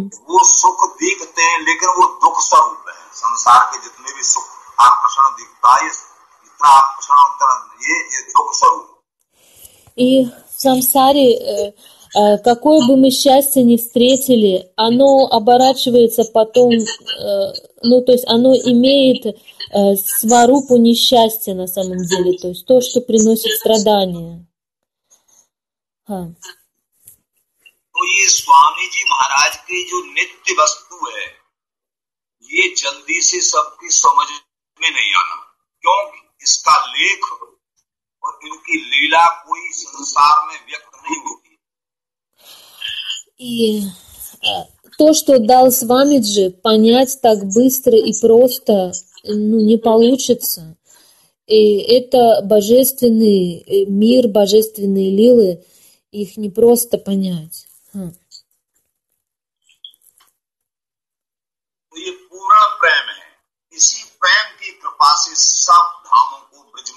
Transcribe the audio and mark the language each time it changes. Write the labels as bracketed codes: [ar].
[hi] वो सुख दिखते हैं लेकिन वो दुख स्वरूप है संसार के जितने भी सुख आकर्षण दिखता है इतना आकर्षण ये दुख स्वरूप [ru] и в самсаре какое бы мы счастье ни встретили оно оборачивается потом ну то есть оно имеет сварупу несчастья на самом деле то есть то что приносит страдания [hi] तो ये स्वामी जी महाराज की जो नित्य वस्तु है ये जल्दी से सबकी समझ में नहीं आना क्योंकि इसका लेख और इनकी लीला कोई संसार में व्यक्त नहीं होगी [ru] ये то, что дал Свамиджи, понять так быстро и просто, ну, не получится. И это божественный мир, божественные лилы, их не просто понять. [hi] ये पूरा प्रेम है इसी प्रेम की कृपा से सब धामों को